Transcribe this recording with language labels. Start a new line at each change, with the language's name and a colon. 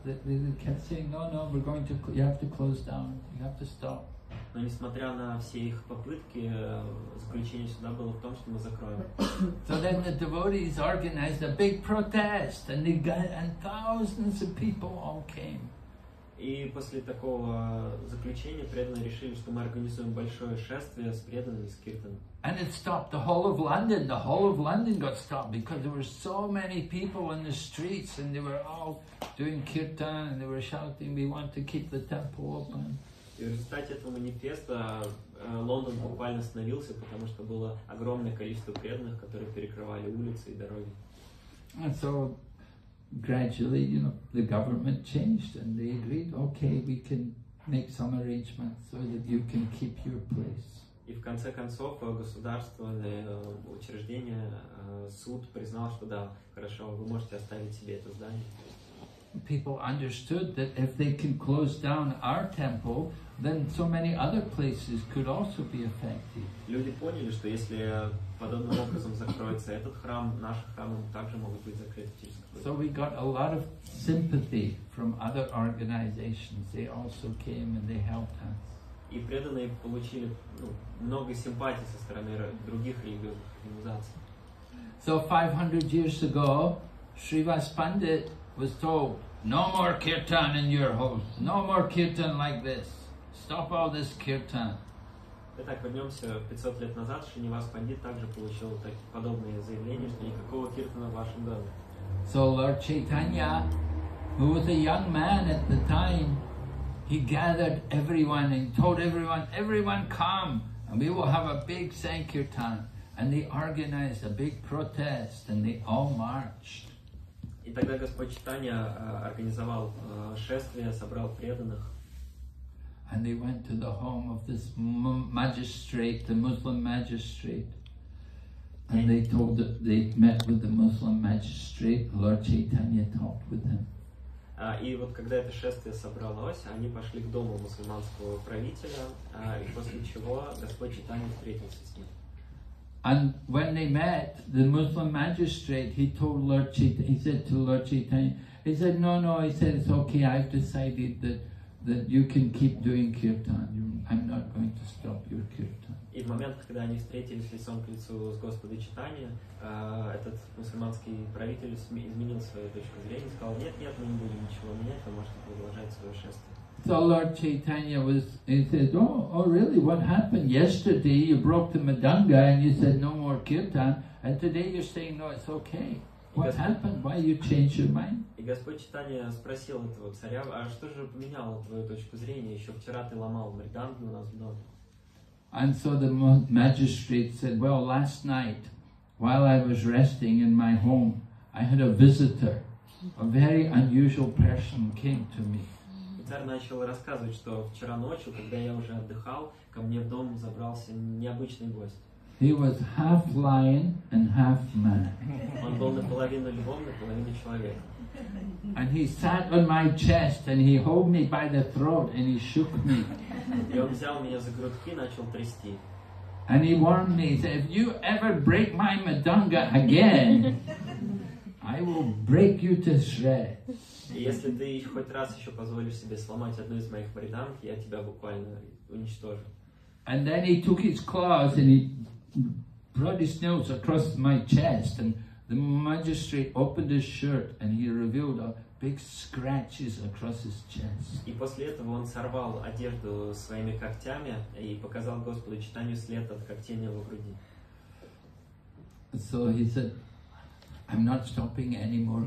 English: They kept saying, no, we're going to, you have to close down, you have to stop.
Russian: Но несмотря на все их попытки, заключение суда было в том, что мы закроем.
English: So then the devotees organized a big protest, and they got, and thousands of people all came.
Russian: И после такого заключения преданные решили, что мы организуем большое шествие с преданными, с киртаном.
English: And it stopped the whole of London. The whole of London got stopped because there were so many people in the streets and they were all doing kirtan and they were shouting, we want to keep the temple open.
Russian: И в результате этого манифеста Лондон буквально остановился, потому что было огромное количество преданных, которые перекрывали улицы и дороги.
English: And so gradually, the government changed and they agreed, okay, we can make some arrangements so that you can keep your place.
Russian: И в конце концов государственное учреждение, суд признал, что да, хорошо, вы можете оставить себе это здание.
English: People understood that if they can close down our temple, then so many other places could also be affected.
Russian: Люди поняли, что если подобным образом закроется этот храм, наши храмы также могут быть закрыты через какое-то время.
English: So we got a lot of sympathy from other organizations. They also came and they helped us.
Russian: И преданные получили много симпатий со стороны других религиозных организаций.
English: So 500 years ago, Shrivas Pandit was told, no more kirtan in your house, no more kirtan like this, stop all this kirtan.
Russian: Итак, вернемся 500 лет назад, Шринивас Пандит также получил подобное заявление, что никакого киртана в вашем доме.
English: So Lord Chaitanya, who was a young man at the time, he gathered everyone and told everyone, everyone come, and we will have a big sankirtan. And they organized a big protest, and they all marched.
Russian: И тогда Господь Чайтанья организовал шествие, собрал преданных.
English: And they went to the home of this magistrate, the Muslim magistrate. And they told that they met with the Muslim magistrate, Lord Chaitanya talked with him.
Russian: И вот когда это шествие собралось, они пошли к дому мусульманского правителя, и после чего Господь Чайтанья встретился с ним.
English: And when they met, the Muslim magistrate, he told Lord Chaitanya, he said to Lord Chaitanya, he said, no, no, he said, it's okay, I've decided that you can keep doing kirtan, I'm not going to stop your kirtan.
Russian: И в момент, когда они встретились лицом к лицу с Господом Чайтанья, этот мусульманский правитель изменил свою точку зрения и сказал, нет, мы не будем ничего менять, вы можете продолжать свое шествие.
English: So Lord Chaitanya said, oh, really, what happened? Yesterday you broke the madanga and you said no more kirtan, and today you're saying, no, it's okay. What happened? Why you changed your mind?
Russian: И Господь Чайтанья спросил этого царя, а что же поменяло твою точку зрения? Еще вчера ты ломал мридангу у нас в доме.
English: And so the magistrate said, well, last night, while I was resting in my home, I had a visitor, a very unusual person came to me.
Russian: Царь начал рассказывать, что вчера ночью, когда я уже отдыхал, ко мне в дом забрался необычный гость.
English: He was half lion and half man.
Russian: Он был наполовину львом, наполовину человеком.
English: And he sat on my chest and he held me by the throat and he shook me.
Russian: И он взял меня за грудки и начал трясти.
English: And he warned me, he said, if you ever break my madanga again, I will break you to shreds.
Russian: Если ты хоть раз еще позволишь себе сломать одну из моих мридан, я тебя буквально уничтожу.
English: And then he took his claws and he brought his nails across my chest, and the magistrate opened his shirt and he revealed big scratches across his chest.
Russian: И после этого он сорвал одежду своими когтями и показал Господу Чайтанью след от когтей на его груди.
English: So he said, I'm not stopping any more